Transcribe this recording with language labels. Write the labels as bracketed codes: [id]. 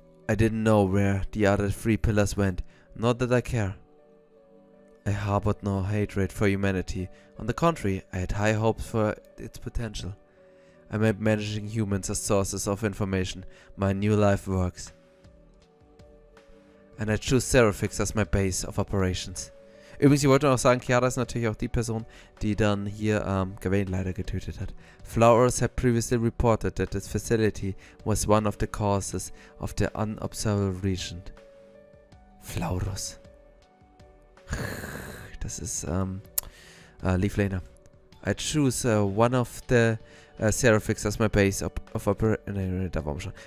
[en] I didn't know where the other three pillars went. Not that I care. I harbored no hatred for humanity. On the contrary, I had high hopes for its potential. I made managing humans as sources of information. My new life works. And I choose Seraphix as my base of operations. [de] Übrigens, ich wollte noch sagen, Kiara ist natürlich auch die Person, die dann hier Gawain leider getötet hat. [en] Flowers had previously reported that this facility was one of the causes of the unobservable region. Flaurus. [de] Das ist Leaf Laner. [en] I choose one of the Seraphix as my base of operation. [de] Nein, da war schon.